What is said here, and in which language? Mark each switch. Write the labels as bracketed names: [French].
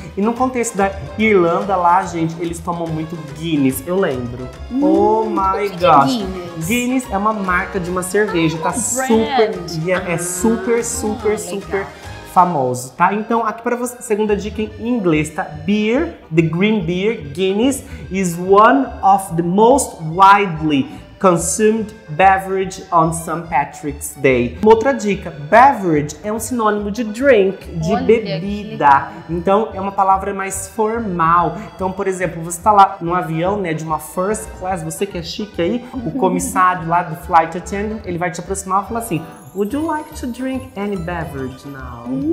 [Portuguese] E no contexto da Irlanda lá, gente, eles tomam muito Guinness, eu lembro. [English] Oh my gosh. [Portuguese] É Guinness? Guinness é uma marca de uma cerveja, oh, tá? Super, é super, super, super famoso, tá? Então, aqui para você, segunda dica em inglês, tá? [English] Beer, the green beer, Guinness, is one of the most widely consumed beverage on St. Patrick's Day. [Portuguese] Uma outra dica, beverage é um sinônimo de drink, de olha bebida. Aqui. Então, é uma palavra mais formal. Então, por exemplo, você tá lá num avião, né, de uma first class, você que é chique aí, o comissário lá do flight attendant, ele vai te aproximar e falar assim, [English] would you like to drink any beverage now?